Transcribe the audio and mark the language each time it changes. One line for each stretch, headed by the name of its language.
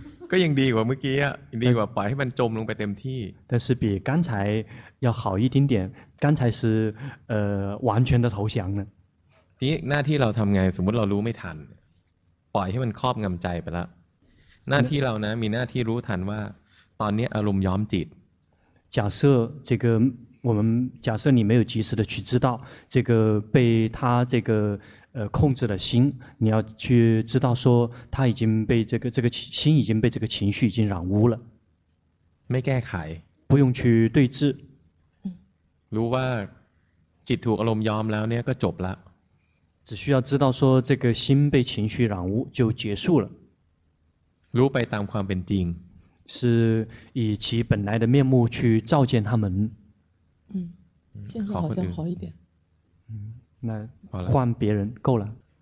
Thai: ก็ยังดีกว่าเมื่อกี้ดีกว่าปล่อยให้มันจมลงไปเต็มที่
Chinese: 但是比刚才要好一丁点刚才是完全的投降了
Thai: ทีนี้หน้าที่เราทำไงสมมติเรารู้ไม่ทันล่อยให้มันครอบงำใจไปแล้วหน้าที่เรานะมีหน้าที่รู้ทันว่าตอนนี้อารมณ์ย้อมจิต
Chinese: 假设这个我们假设你没有及时的去知道这个被他这个控制的心，你要去知道说他已经被这个心已经被这个情绪已经染污了。没
Thai: แก้ไข
Chinese: 不用去对治。
Thai: รู้ว่าจิตถูกอารมณ์ย้อมแล้วเนี่ยก็จบแล้ว
Chinese: 只需要知道说这个心被情绪染污就结束了。
Thai: รู้ไปตามความเป็นจริง
Chinese: 是以其本来的面目去照见他们。嗯，现在好像好一点。嗯，那换别人够了。